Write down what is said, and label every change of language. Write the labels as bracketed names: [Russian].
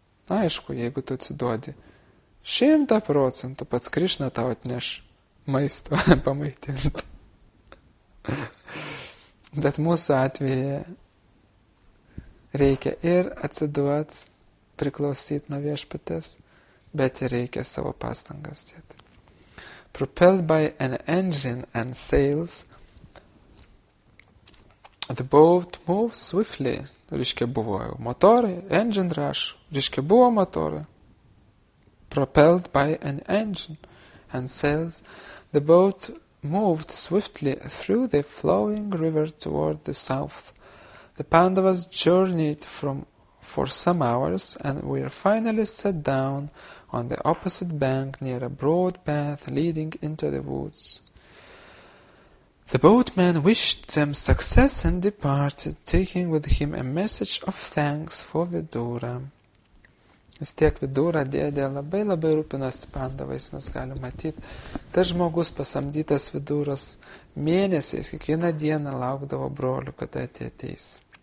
[Lithuanian] Aišku, jeigu tu atsiduodi 100%, pats Krišna tau atneš maisto pamaitint. Bet mūsų atveju reikia ir atsiduot, priklausyti nuo viešpatės, bet ir reikia savo pastangas dėti. [English] Propelled by an engine and sails, the boat moves swiftly. [Lithuanian] Reiškia buvo motorai, [English] engine rush, [Lithuanian] reiškia buvo motorai. [English] Propelled by an engine and sails, the boat moved swiftly through the flowing river toward the south. The Pandavas journeyed for some hours and were finally set down on the opposite bank near a broad path leading into the woods. The boatman wished them success and departed, taking with him a message of thanks for Vidura. [Lithuanian] Vis tiek Vidura dėdė labai labai rūpinosi Pandavais, mes galim matyti. Tas žmogus pasamdytas Viduras mėnesiais, kiekvieną dieną laukdavo brolių, kada ateis.